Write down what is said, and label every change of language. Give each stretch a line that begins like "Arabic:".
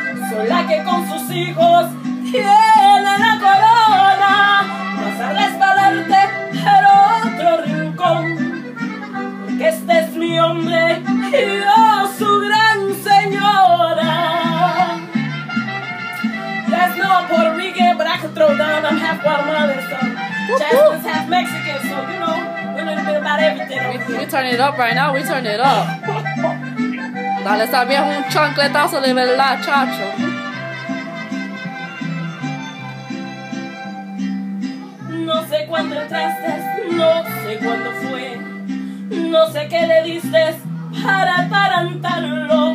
Spanish: Soy la que con sus hijos tiene la corona. Vas a resbalarte en otro rincón. Porque este es mi hombre y yo su gran señora.
English: That's not Puerto Rican, but I can throw down. I'm half Guatemalan, so Jasmine's half Mexican, so you know. We turn it up right now. We turn it up.
Spanish: Dale, está bien un chancletazo de verdad, chacho. No sé cuándo entraste, no sé cuándo fue. No sé qué le diste para atarantarlo.